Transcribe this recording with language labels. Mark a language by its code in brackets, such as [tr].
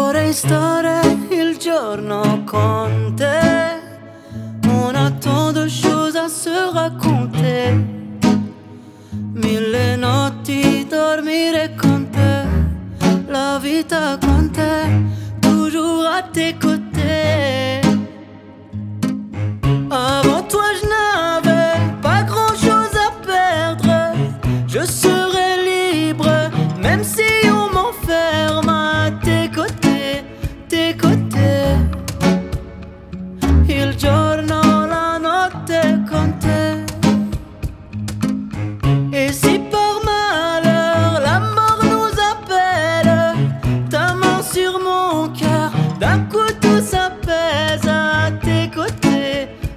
[it] stare il giorno con te, [fr] on a tant de choses à se raconter, [it] mille notti dormire con te, la vita con te, [fr] toujours à tes côtés. Avant toi je n'avais pas grand chose à perdre, je serai libre même si on m'enferme à tes côtés, tes côtés. [it] Il giorno, la notte con te. [fr] Et si par malheur la mort nous appelle, ta main sur mon cœur, d'un coup tout s'apaise à tes côtés.